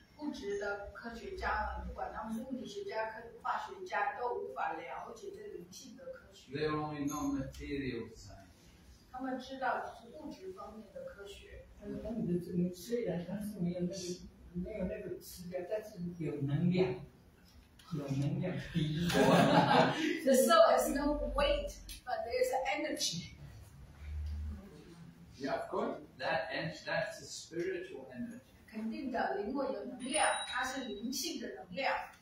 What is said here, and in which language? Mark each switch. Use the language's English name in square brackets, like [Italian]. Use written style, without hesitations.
[Chinese] 物质的科学家们，不管他们是物理学家、化学家，都无法了解这灵性的科学。 [English] They only know material science. [Chinese] 他们知道只是物质方面的科学。虽然他是没有那个指标，但是有能量比例。 [English] The soul has no weight, but there is energy. Yeah, of course, that's a spiritual energy. [Chinese] 肯定的，灵魂有能量，它是灵性的能量。